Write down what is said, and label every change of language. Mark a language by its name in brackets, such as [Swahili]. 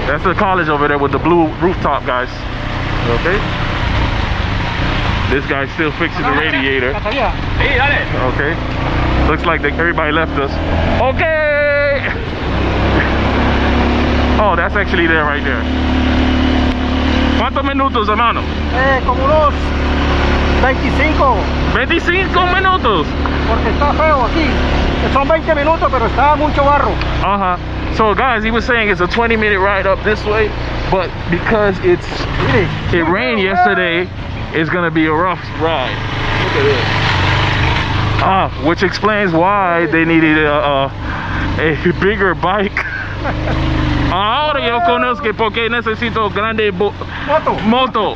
[English] That's the college over there with the blue rooftop, guys. Okay. This guy's still fixing the radiator. Hey, dale. Okay. Looks like everybody left us. Okay. Oh, that's actually there right there. [Spanish] ¿Cuántos minutos, hermano? Como unos 25. 25 minutos. Porque está feo aquí. Son 20 minutos, pero está mucho barro. Uh-huh. [English] So, guys, he was saying it's a 20-minute ride up this way, but because it rained yesterday, it's going to be a rough ride. Look at this. Which explains why they needed a bigger bike. [Spanish] Ahora yo conozco porque necesito grande moto.